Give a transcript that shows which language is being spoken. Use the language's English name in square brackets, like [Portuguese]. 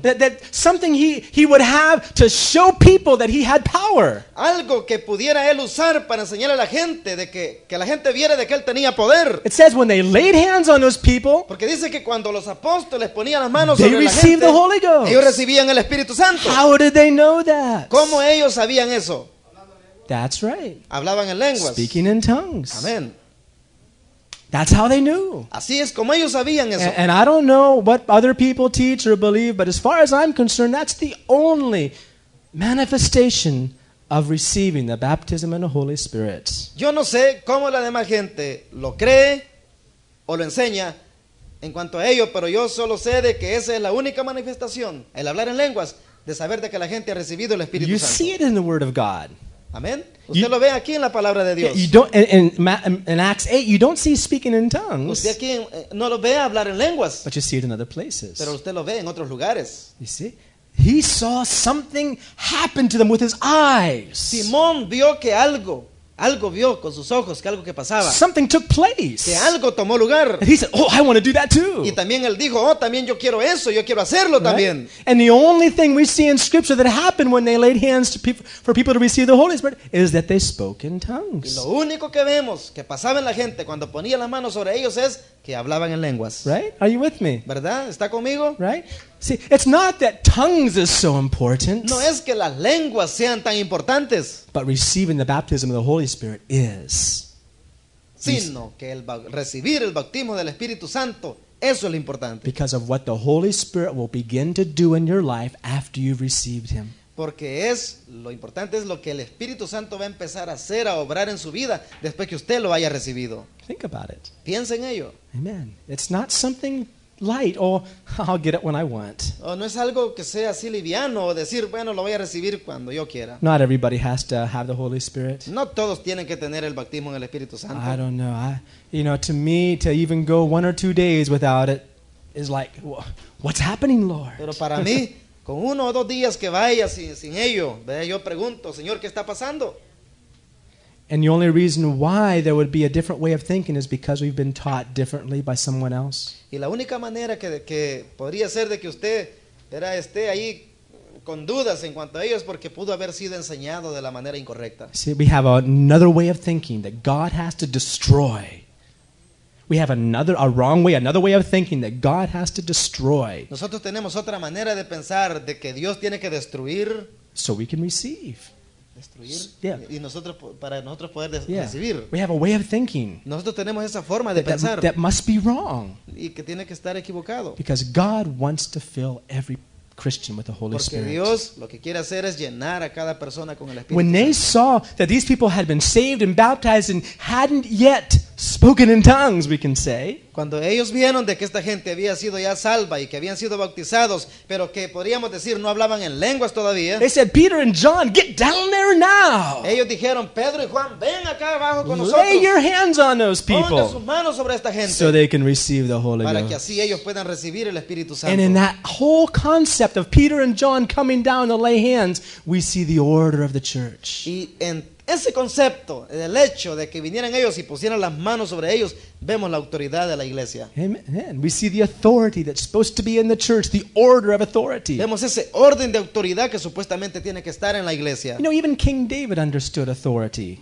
[English] That something he would have to show people that he had power. [Spanish] Algo que pudiera él usar para enseñar a la gente de que la gente viera de que él tenía poder. [English] It says when they laid hands on those people. [Spanish] Porque dice que cuando los apóstoles ponían las manos sobre la gente. [English] They received the Holy Ghost. [Spanish] Ellos recibían el Espíritu Santo. [English] How did they know that? [Spanish] ¿Cómo ellos sabían eso? [English] That's right. [Spanish] Hablaban en lenguas. [English] Speaking in tongues. [Spanish] Amén. [English] That's how they knew. [Spanish] Así es como ellos sabían eso. [English] And I don't know what other people teach or believe, but as far as I'm concerned, that's the only manifestation of receiving the baptism in the Holy Spirit. [Spanish] Yo no sé cómo la demás gente lo cree o lo enseña en cuanto a ello, pero yo solo sé de que esa es la única manifestación, el hablar en lenguas, de saber de que la gente ha recibido el Espíritu [English] you [Spanish] Santo. [English] You see it in the Word of God. [Spanish] Amén. Usted lo ve aquí en la palabra de Dios. [English] You don't in Acts 8 you don't see speaking in tongues. [Spanish] Usted aquí no lo ve hablar en lenguas. [English] But you see it in other places. [Spanish] Pero usted lo ve en otros lugares. [English] You see? He saw something happen to them with his eyes. [Spanish] Simón vio que algo vio con sus ojos, que algo que pasaba. [English] Something took place. [Spanish] Que algo tomó lugar. [English] And he said, "Oh, I want to do that too." [Spanish] Y también él dijo, "Oh, también yo quiero eso, yo quiero hacerlo también." [English] Right? And the only thing we see in scripture that happened when they laid hands for people to receive the Holy Spirit is that they spoke in tongues. [Spanish] Y lo único que vemos que pasaba en la gente cuando ponía las manos sobre ellos es que hablaban en lenguas. [English] Right? Are you with me? [Spanish] ¿Verdad? ¿Está conmigo? [English] Right? See, it's not that tongues is so important. [Spanish] No es que las lenguas sean tan importantes. [English] But receiving the baptism of the Holy Spirit is. [Spanish] Sino que recibir el bautismo del Espíritu Santo, eso es lo importante. [English] Because of what the Holy Spirit will begin to do in your life after you've received Him. [Spanish] Porque es lo importante es lo que el Espíritu Santo va a empezar a hacer, a obrar en su vida después que usted lo haya recibido. [English] Think about it. [Spanish] Piensa en ello. [English] Amen. It's not something light, or I'll get it when I want. [Spanish] No es algo que sea así liviano, decir, bueno, lo voy a recibir cuando yo quiera. [English] Not everybody has to have the Holy Spirit. [Spanish] No todos tienen que tener el bautismo en el Espíritu Santo. [English] I don't know. To me, to even go one or two days without it is like, what's happening, Lord? [Spanish] Pero para mí, con uno o dos días que vaya sin ello, yo pregunto, Señor, ¿qué está pasando? [English] And the only reason why there would be a different way of thinking is because we've been taught differently by someone else. [Spanish] Y la única manera que podría ser de que usted era esté ahí con dudas en cuanto a ello es porque pudo haber sido enseñado de la manera incorrecta. [English] See, we have another way of thinking that God has to destroy. We have another way of thinking that God has to destroy. [Spanish] Nosotros tenemos otra manera de pensar de que Dios tiene que destruir. [English] So we can receive. [Spanish] Destruir, yeah. Y nosotros, para nosotros poder recibir. [English] We have a way of thinking. [Spanish] Nosotros tenemos esa forma de pensar. [English] That must be wrong. [Spanish] Y que tiene que estar equivocado. [English] Because God wants to fill every Christian with the Holy [Spanish] Porque [English] Spirit. [Spanish] Dios lo que quiere hacer es llenar a cada persona con el Espíritu [English] When [Spanish] Santo. [English] They saw that these people had been saved and baptized and hadn't yet spoken in tongues, we can say. [Spanish] Cuando ellos vieron de que esta gente había sido ya salva y que habían sido bautizados, pero que podríamos decir no hablaban en lenguas todavía. [English] They said, Peter and John, get down there now. [Spanish] Ellos dijeron, Pedro y Juan, ven acá abajo con nosotros. [English] Lay your hands on those people. [Spanish] Pongan sus manos sobre esta gente. [English] So they can receive the Holy Ghost. [Spanish] Para que así ellos puedan recibir el Espíritu Santo. [English] And in that whole concept of Peter and John coming down to lay hands, we see the order of the church. [Spanish] Y en ese concepto, el hecho de que vinieran ellos y pusieran las manos sobre ellos, vemos la autoridad de la iglesia. [English] Amen. We see the authority that's supposed to be in the church, the order of authority. [Spanish] Vemos ese orden de autoridad que supuestamente tiene que estar en la iglesia. [English] You know, even King David understood authority.